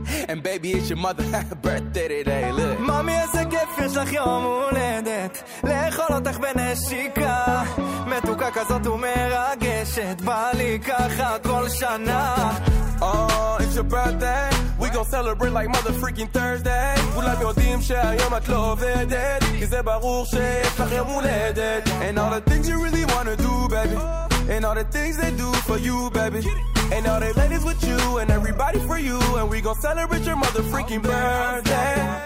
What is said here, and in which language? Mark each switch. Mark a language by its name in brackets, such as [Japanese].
[English] And baby, it's your mother's birthday today. Look. [Hebrew] Mommy, איזה כיף יש לך יום הולדת. לאכול אותך בנשיקה. מתוקה כזאת ומרגשת. בא לי ככה כל שנה. [English] Oh, it's your birthday. We gon' celebrate like mother freaking Thursday. [Hebrew] כולם יודעים שהיום את לא עובדת. כי זה ברור שיש לך יום הולדת. [English] And all the things you really wanna do, baby. And all the things they do for you, baby. And all the ladies with you and everybody for you. And we gon' celebrate your mother freaking birthday.